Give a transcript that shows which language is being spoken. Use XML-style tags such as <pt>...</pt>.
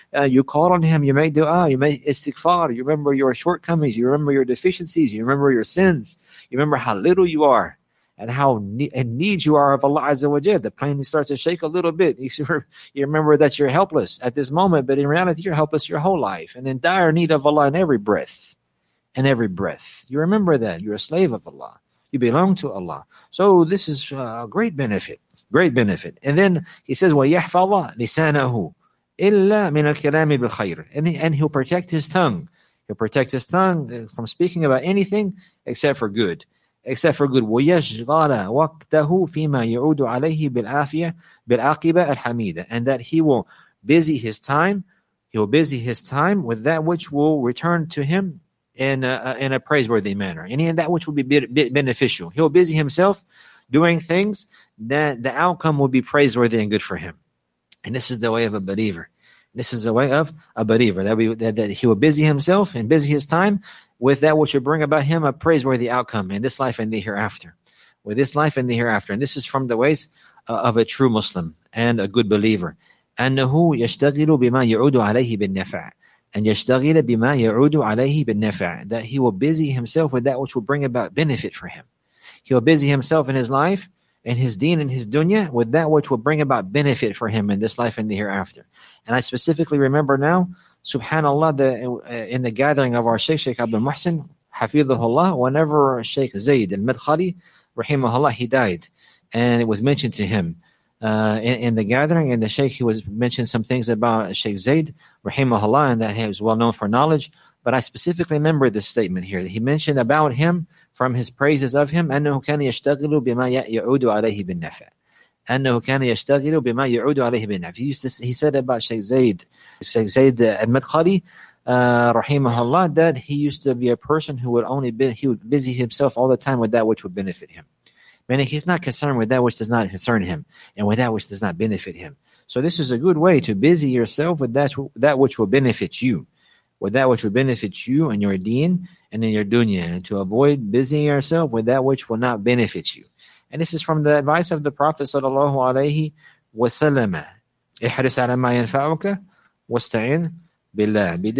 <en>You call on Him, you make dua, you make istighfar, you remember your shortcomings, you remember your deficiencies, you remember your sins, you remember how little you are and how in need you are of Allah Azza wa Jalla. The plane starts to shake a little bit. You remember that you're helpless at this moment, but in reality, you're helpless your whole life and in dire need of Allah in every breath. In every breath. You remember that. You're a slave of Allah. You belong to Allah. So this is a great benefit. Great benefit. And then he says,</en> <ar>وَيَحْفَظَ لِسَانَهُ إِلَّا مِنَ الْكِلَامِ بِالْخَيْرِ.</ar> <en>And he'll protect his tongue. He'll protect his tongue from speaking about anything except for good. Except for good.</en> <ar>وَيَجْضَالَ وَقْتَهُ فِيمَا يَعُودُ عَلَيْهِ بِالْعَافِيَةِ بِالْعَاقِبَةِ الْحَمِيدَةِ.</ar> <en>And that he will busy his time. He'll busy his time with that which will return to him in a praiseworthy manner. Any of that which will be beneficial. He'll busy himself doing things that the outcome will be praiseworthy and good for him. And this is the way of a believer. This is the way of a believer. That he will busy himself and busy his time with that which will bring about him a praiseworthy outcome in this life and the hereafter. With this life and the hereafter. And this is from the ways of a true Muslim and a good believer.</en> <ar>أَنَّهُ يَشْتَغِلُ بِمَا يَعُودُ عَلَيْهِ بِالنَّفَعِ. And يَشْتَغِلَ بِمَا يَعُودُ عَلَيْهِ بِالنَّفَعِ.</ar> <en>That he will busy himself with that which will bring about benefit for him. He will busy himself in his life, in his deen, in his dunya, with that which will bring about benefit for him in this life and the hereafter. And I specifically remember now, subhanAllah, in the gathering of our Shaykh Abdul Muhsin, hafidhahullah, whenever Shaykh Zayd al-Madkhali, rahimahullah, he died, and it was mentioned to him. In the gathering, and the Shaykh, he was mentioned some things about Shaykh Zayd, rahimahullah, and that he was well known for knowledge. But I specifically remember this statement here that he mentioned about him from his praises of him.</en> <ar>أنه كان يشتغل بما يعود عليه بالنفع. أنه كان يشتغل بما يعود عليه بالنفع.</ar> <en>He said about Shaykh Zayd al-Madkhali, rahimahullah, that he used to be a person who would would busy himself all the time with that which would benefit him. Meaning he's not concerned with that which does not concern him and with that which does not benefit him. So this is a good way to busy yourself with that which will benefit you, with that which will benefit you in your deen and in your dunya, and to avoid busying yourself with that which will not benefit you. And this is from the advice of the Prophet sallallahu alayhi wa sallam.</en> <ar>احرس على ما ينفعك واستعين بالله.</ar>